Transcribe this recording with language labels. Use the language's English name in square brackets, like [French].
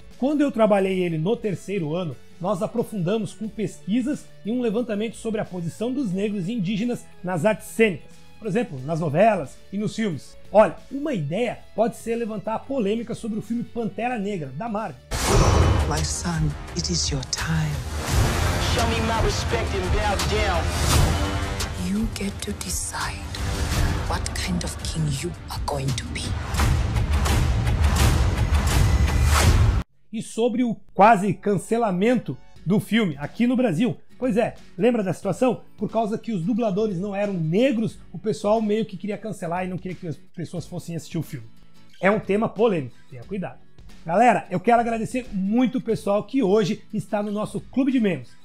[Portuguese] Quando eu trabalhei ele no terceiro ano, nós aprofundamos com pesquisas e um levantamento sobre a posição dos negros e indígenas nas artes cênicas, por exemplo, nas novelas e nos filmes. Olha, uma ideia pode ser levantar a polêmica sobre o filme Pantera Negra, da Marvel. [English] My son, it is your time. Show me my respect and bow down. You get to decide what kind of king you are going to be. [Portuguese] E sobre o quase cancelamento do filme aqui no Brasil. Pois é, lembra da situação? Por causa que os dubladores não eram negros, o pessoal meio que queria cancelar e não queria que as pessoas fossem assistir o filme. É um tema polêmico, tenha cuidado. Galera, eu quero agradecer muito o pessoal que hoje está no nosso clube de membros.